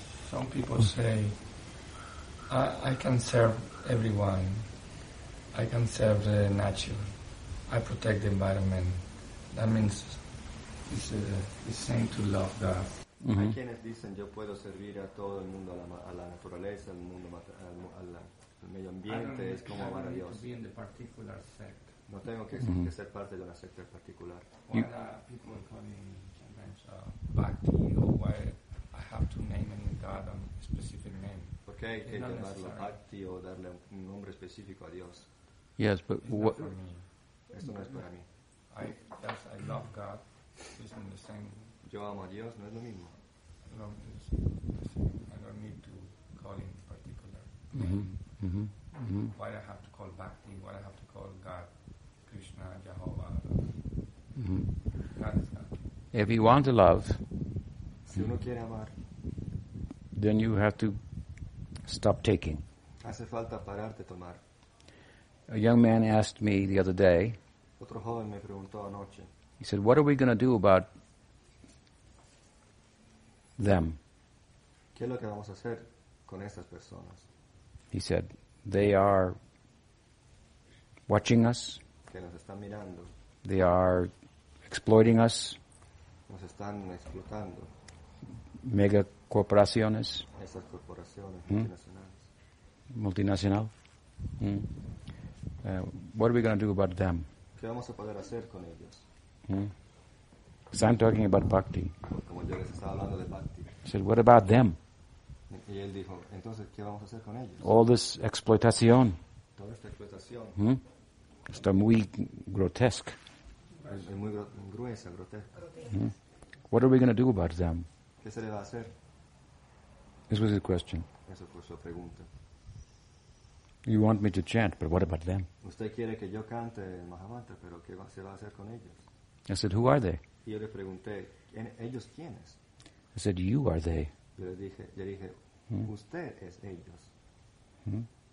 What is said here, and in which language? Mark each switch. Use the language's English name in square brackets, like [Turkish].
[English] Some people say, I can serve everyone, I can serve the nature. I protect the environment. That means it's the same to love God. [Spanish] Hay quienes dicen yo puedo servir a todo el mundo, a la naturaleza, al mundo, al medio ambiente, es como amar a Dios. [English] To be in the particular sect. [Spanish] No tengo que ser parte de una secta particular. [English] Why are people calling me Bhakti, or why I have to name any God a specific name? [Spanish] Porque hay que llamarlo Bhakti o darle un nombre específico a Dios. [English] Yes, but what? [Spanish] Esto no es para mí. [English] I love God. It's not the same. [Spanish] Yo amo a Dios, no es lo mismo. [English] I don't need to call him in particular. Why I have to call Bhakti? Why I have to call God, Krishna, Jehovah? God is God. If you want to love, [Spanish] si uno quiere amar, [English] then you have to stop taking. [Spanish] Hace falta parar de tomar. [English] A young man asked me the other day. [Spanish] Otro joven me preguntó anoche. [English] He said, what are we going to do about them? [Spanish] ¿Qué es lo que vamos a hacer con estas personas? [English] He said, they are watching us. [Spanish] Que nos están mirando. [English] They are exploiting us. [Spanish] Nos están explotando. Mega corporaciones. Esas corporaciones multinacionales. Multinacional. [English] What are we going to do about them? [Spanish] ¿Qué vamos a poder hacer con ellos? [English] Because I'm talking about bhakti. [Spanish] Como yo les estaba hablando de bhakti. [English] He said, what about them? [Spanish] Y él dijo, entonces, ¿qué vamos a hacer con ellos? [English] All this explotación. [Spanish] Toda esta explotación. Está muy grotesque. Es muy gruesa, grotesca. [English] What are we going to do about them? [Spanish] ¿Qué se le va a hacer? [English] This was his question. [Spanish] Esa fue su pregunta. [English] You want me to chant, but what about them? [Spanish] Usted quiere que yo cante el Mahamantra, pero ¿qué se va a hacer con ellos? [English] I said, who are they? [Spanish] Y yo le pregunté, ¿ellos quiénes? [English] I said, you are they. [Spanish] Yo le dije, usted es ellos.